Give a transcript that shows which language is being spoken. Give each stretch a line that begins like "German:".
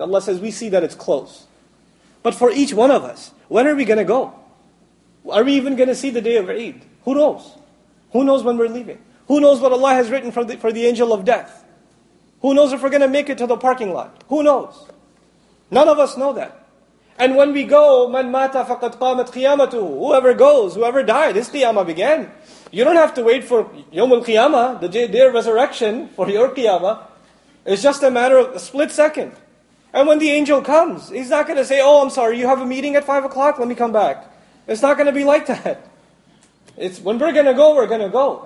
English: Allah says, we see that it's close. But for each one of us, when are we going to go? Are we even going to see the day of Eid? Who knows? Who knows when we're leaving? Who knows what Allah has written for the angel of death? Who knows if we're going to make it to the parking lot? Who knows? None of us know that. And when we go,
Arabic: مَنْ مَاتَ فَقَدْ قَامَتْ قِيَامَتُهُ.
English: Whoever goes, whoever died, this qiyamah began. You don't have to wait for
Arabic: يَوْمُ الْقِيَامَةِ,
English: the day of resurrection, for your qiyamah. It's just a matter of a split second. And when the angel comes, he's not going to say, oh, I'm sorry, you have a meeting at 5 o'clock, let me come back. It's not going to be like that. It's when we're going to go, we're going to go.